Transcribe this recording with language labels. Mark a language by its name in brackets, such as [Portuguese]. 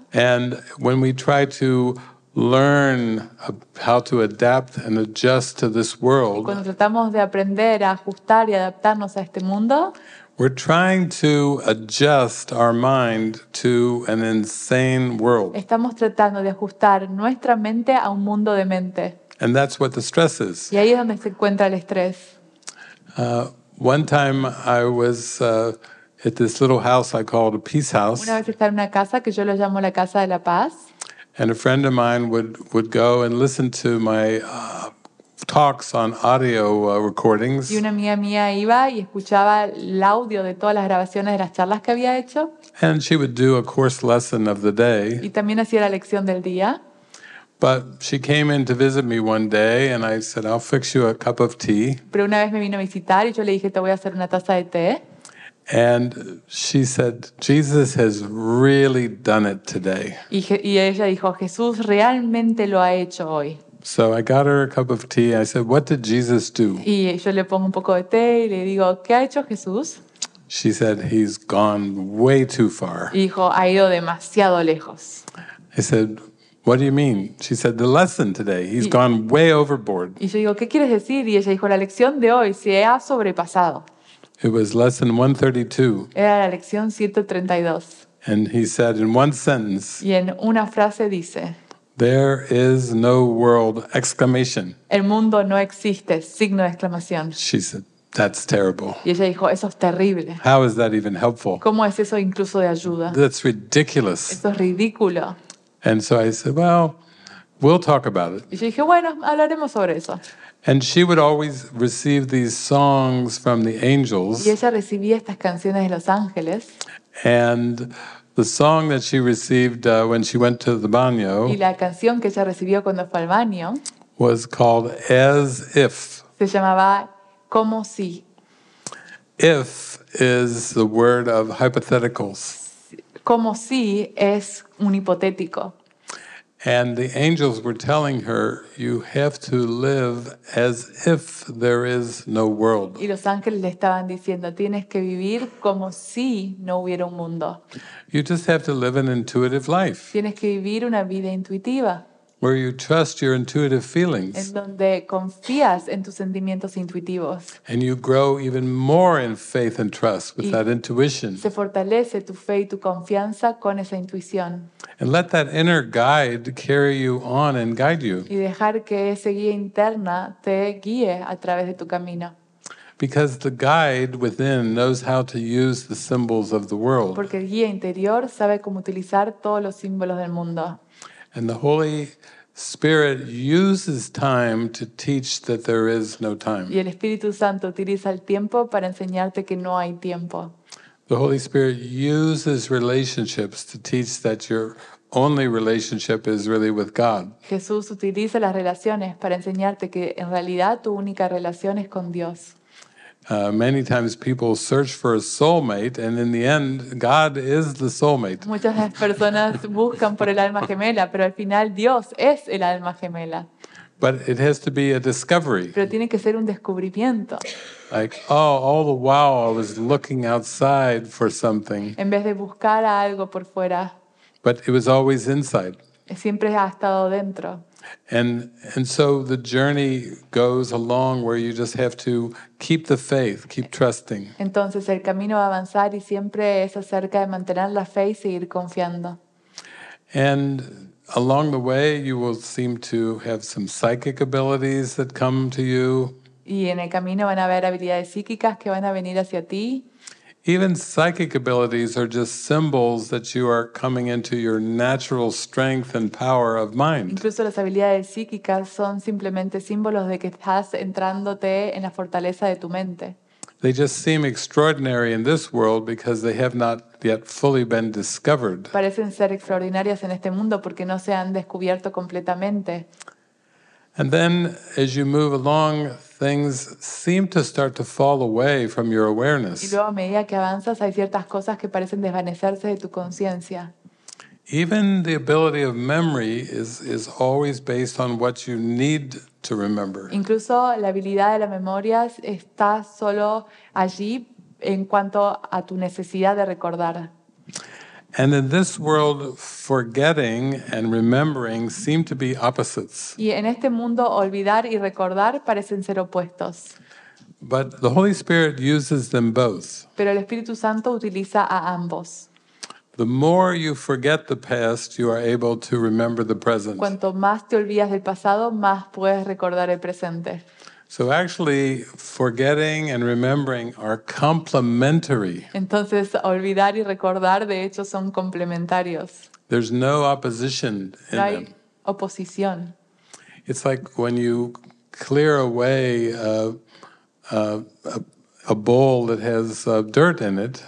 [English] And when we try to learn how to adapt and adjust to this world, [Spanish] cuando tratamos de aprender a ajustar y adaptarnos a este mundo, [English] we're trying to adjust our mind to an insane world. [Spanish] Estamos tratando de ajustar nuestra mente a un mundo demente. [English] And that's what the stress is. [Spanish] Y ahí es donde se encuentra el estrés. [English] One time I was at this little house I called a peace house. [Spanish] Una vez estaba en una casa que yo lo llamo la casa de la paz. [English] And a friend of mine would go and listen to my talks on audio recordings. [Spanish] Y una amiga mía iba y escuchaba el audio de todas las grabaciones de las charlas que había hecho. [English] And she would do a course lesson of the day. [Spanish] Y también hacía la lección del día. [English] But she came in to visit me one day, and I said, "I'll fix you a cup of tea." [Spanish] Pero una vez me vino a visitar y yo le dije, "Te voy a hacer una taza de té." [English] And she said, "Jesus has really done it today." [Spanish] Y ella dijo, "Jesús realmente lo ha hecho hoy." [English] So I got her a cup of tea. I said, "What did Jesus do?" [Spanish] Y yo le pongo un poco de té y le digo, "¿Qué ha hecho Jesús?" [English] She said, "He's gone way too far." [Spanish] Y dijo, "Ha ido demasiado lejos." [English] I said, "What do you mean?" She said, "The lesson today. He's gone way overboard." [Spanish] Y yo digo, "¿Qué quieres decir?" Y ella dijo, "La lección de hoy se ha sobrepasado." [English] It was lesson 132. [Spanish] Era la lección 132. [English] And he said in one sentence. [Spanish] Y en una frase dice. [English] "There is no world!" Exclamation. [Spanish] El mundo no existe. Signo de exclamación. [English] She said, "That's terrible." [Spanish] Y ella dijo, "Eso es terrible." [English] How is that even helpful? [Spanish] ¿Cómo es eso incluso de ayuda? [English] That's ridiculous. [Spanish] Eso es ridículo. [English] And so I said, "Well, we'll talk about it." [Spanish] Y yo dije, "Bueno, hablaremos sobre eso." [English] And she would always receive these songs from the angels. [Spanish] Y ella recibía estas canciones de los ángeles. [English] And the song that she received when she went to the baño. [Spanish] Y la canción que ella recibió cuando fue al baño. [English] Was called "As If." [Spanish] Se llamaba "Como si." [English] If is the word of hypotheticals. [Spanish] Como si es un hipotético. [English] And the angels were telling her, "You have to live as if there is no world." [Spanish] Y los ángeles le estaban diciendo, tienes que vivir como si no hubiera un mundo. [English] You just have to live an intuitive life. [Spanish] Tienes que vivir una vida intuitiva. [English] Where you trust your intuitive feelings. [Spanish] En donde confías en tus sentimientos intuitivos. [English] And you grow even more in faith and trust with that intuition. [Spanish] Se fortalece tu fe y tu confianza con esa intuición. [English] And let that inner guide carry you on and guide you. [Spanish] Y dejar que esa guía interna te guíe a través de tu camino. [English] Because the guide within knows how to use the symbols of the world. [Spanish] Porque el guía interior sabe cómo utilizar todos los símbolos del mundo. [English] And the Holy Spirit uses time to teach that there is no time. [Spanish] Y el Espíritu Santo utiliza el tiempo para enseñarte que no hay tiempo. [English] The Holy Spirit uses relationships to teach that your only relationship is really with God. [Spanish] Jesús utiliza las relaciones para enseñarte que en realidad tu única relación es con Dios. [English] Many times people search for a soulmate, and in the end, God is the soulmate. [Spanish] Muchas personas buscan por el alma gemela, pero al final Dios es el alma gemela. [English] But it has to be a discovery. [Spanish] Pero tiene que ser un descubrimiento. [English] Like, "Oh, all the while I was looking outside for something." [Spanish] En vez de buscar algo por fuera. [English] But it was always inside. [Spanish] Siempre ha estado dentro. [English] And so the journey goes along where you just have to keep the faith, keep trusting. [Spanish] Entonces el camino va a avanzar y siempre es acerca de mantener la fe y seguir confiando. [English] And along the way you will seem to have some psychic abilities that come to you. [Spanish] Y en el camino van a haber habilidades psíquicas que van a venir hacia ti. [English] Even psychic abilities are just symbols that you are coming into your natural strength and power of mind. [Spanish] Incluso las habilidades psíquicas son simplemente símbolos de que estás entrándote en la fortaleza de tu mente. [English] They just seem extraordinary in this world because they have not yet fully been discovered. [Spanish] Parecen ser extraordinarias en este mundo porque no se han descubierto completamente. [English] And then, as you move along, things seem to start to fall away from your awareness. [Spanish] Y luego, a medida que avanzas, hay ciertas cosas que parecen desvanecerse de tu conciencia. [English] Even the ability of memory is always based on what you need to remember. [Spanish] Incluso la habilidad de la memoria está solo allí en cuanto a tu necesidad de recordar. [English] And in this world, forgetting and remembering seem to be opposites. [Spanish] Y en este mundo, olvidar y recordar parecen ser opuestos. [English] But the Holy Spirit uses them both. [Spanish] Pero el Espíritu Santo utiliza a ambos. [English] The more you forget the past, you are able to remember the present. [Spanish] Cuanto más te olvidas del pasado, más puedes recordar el presente. [English] So actually, forgetting and remembering are complementary. [Spanish] Entonces, olvidar y recordar, de hecho, son complementarios. [English] There's no opposition in them. [Spanish] No hay oposición. [English] It's like when you clear away a bowl that has dirt in it.